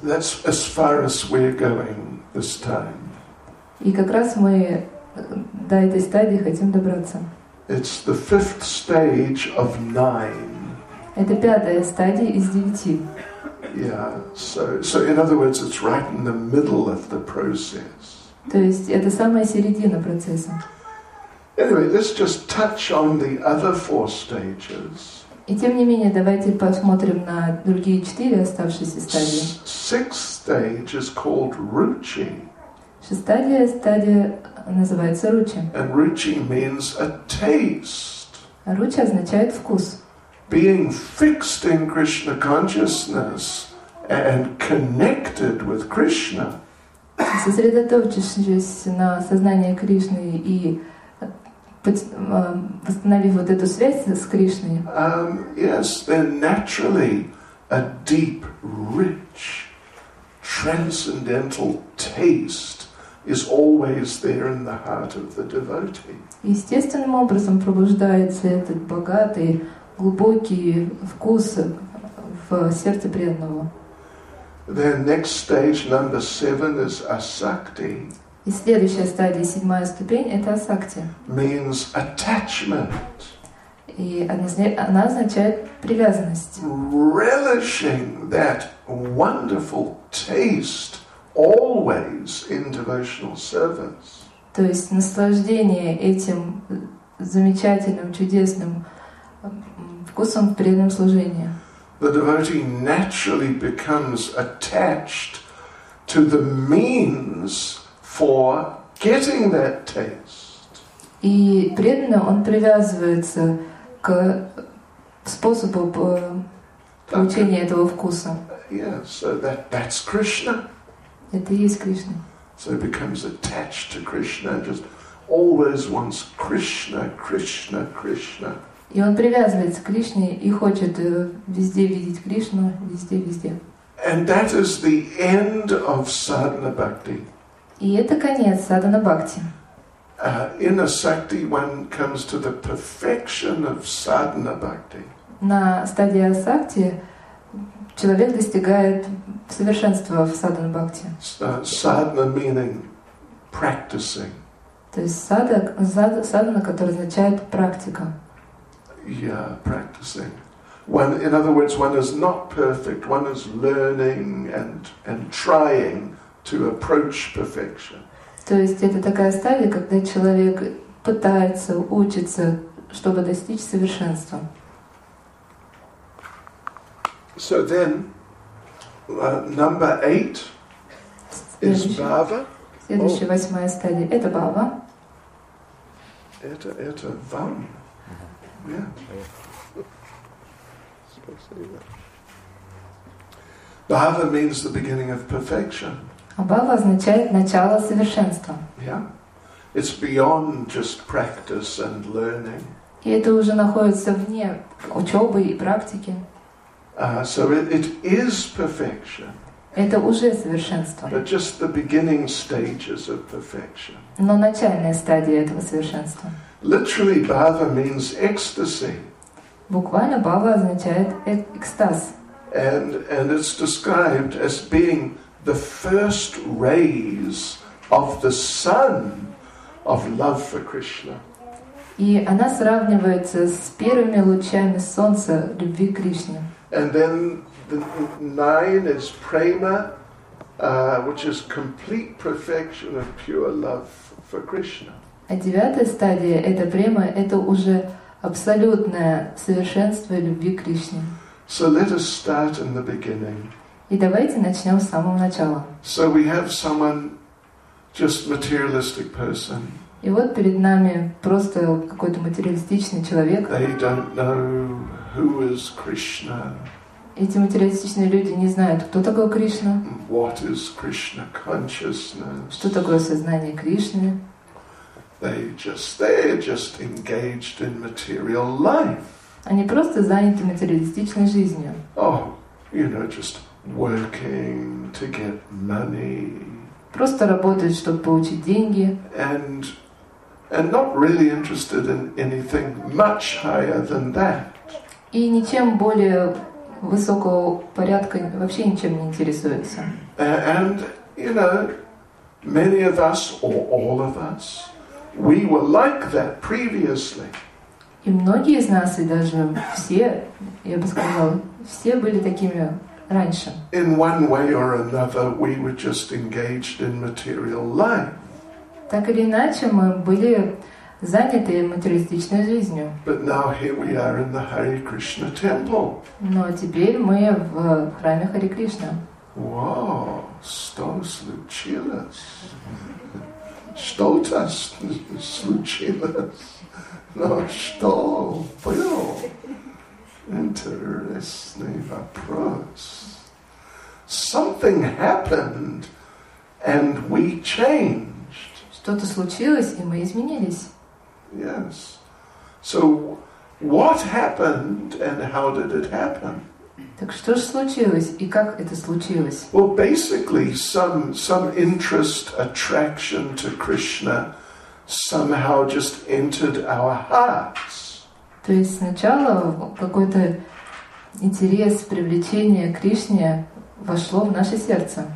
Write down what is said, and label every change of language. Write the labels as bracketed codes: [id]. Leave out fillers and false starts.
[en] That's as far as we're going this time. [ru] И как раз мы до этой стадии хотим добраться. [en] It's the fifth stage of nine. [ru] Это пятая стадия из девяти. [en] Yeah, so in other words, it's right in the middle of the process. [ru] То есть это самая середина процесса. [en] Anyway, let's just touch on the other four stages. [ru] И тем не менее, давайте посмотрим на другие четыре оставшиеся стадии. [en] Sixth stage is called ruchi. [ru] Шестая стадия называется ruchi. [en] And ruchi means a taste. [ru] Ruchi означает вкус. [en] Being fixed in Krishna consciousness and connected with Krishna. [ru] Сосредоточившись на сознании Кришны и восстановив вот эту связь с Кришной. [en] Yes, then naturally a deep, rich, transcendental taste is always there in the heart of the devotee. [ru] Естественным образом пробуждается этот богатый, глубокий вкус в сердце преданного. [en] Then next stage, number seven, is asakti. [ru] И следующая стадия, седьмая ступень, это асакти. [en] Means attachment. [ru] И она означает привязанность. [en] Relishing that wonderful taste always in devotional service. [ru] То есть наслаждение этим замечательным, чудесным вкусом в преданном служении. [en] The devotee naturally becomes attached to the means for getting that taste. [ru] И преданно он привязывается к способу получения этого вкуса. [en] Yes, so that's Krishna. [ru] Это и есть Кришна. [en] So it becomes attached to Krishna and just always wants Krishna, Krishna, Krishna. [ru] И он привязывается к Кришне и хочет везде видеть Кришну, везде, везде. [en] And that is the end of sadhana bhakti. [ru] И это конец садхана бхакти. [en] In asakti one comes to the perfection of sadhana bhakti. [ru] На стадии асакти человек достигает совершенства в садхана бхакти. [en] Sadhana meaning practicing. [ru] То есть садхана, который означает практика. [en] Yeah, practicing. One, in other words, one is not perfect. One is learning and trying to approach perfection. [ru] То есть это такая стадия, когда человек пытается, учится, чтобы достичь совершенства. [en] So then, number eight is bhava. [ru] Следующая восьмая стадия — это бхава. Это вам. [en] Yeah. Bhava means the beginning of perfection. [ru] Бхава означает начало совершенства. [en] Yeah. It's beyond just practice and learning. [ru] И это уже находится вне учебы и практики. [en] So it is perfection. [ru] Это уже совершенство. [en] But just the beginning stages of perfection. [ru] Но начальная стадия этого совершенства. [en] Literally, bhava means ecstasy. [ru] Буквально бхава означает экстаз. [en] And it's described as being the first rays of the sun of love for Krishna. [ru] И она сравнивается с первыми лучами солнца любви к Кришне. [en] And then the nine is prema, which is complete perfection of pure love for Krishna. [ru] А девятая стадия — это према, это уже абсолютное совершенство любви к Кришне. [en] So let us start in the beginning. [ru] И давайте начнём с самого начала. [en] So we have someone just materialistic person. [ru] И вот перед нами просто какой-то материалистичный человек. [en] They don't know who is Krishna. [ru] Эти материалистичные люди не знают, кто такой Кришна. [en] What is Krishna consciousness? [ru] Что такое сознание Кришны? [en] They're just engaged in material life. [ru] Они просто заняты материалистичной жизнью. [en] Oh, you know, just working to get money. [ru] Просто работают, чтобы получить деньги. [en] And not really interested in anything much higher than that. [ru] И ничем более высокого порядка вообще ничем не интересуются. [en] And you know, many of us or all of us, we were like that previously. [ru] И многие из нас, и даже все, я бы сказала, все были такими раньше. [en] In one way or another, we were just engaged in material life. [ru] Так или иначе, мы были заняты материалистичной жизнью. [en] But now here we are in the Hare Krishna temple. [ru] Но теперь мы в храме Харе Кришна. Wow, что случилось? Что-то случилось. Ну что, понял? Интересный вопрос. [en] Something happened, and we changed. [ru] Что-то случилось, и мы изменились. [en] Yes. So, what happened, and how did it happen? [ru] Так что же случилось, и как это случилось? [en] Well, basically, some interest, attraction to Krishna somehow just entered our hearts. [ru] То есть сначала какой-то интерес, привлечение к Кришне вошло в наше сердце.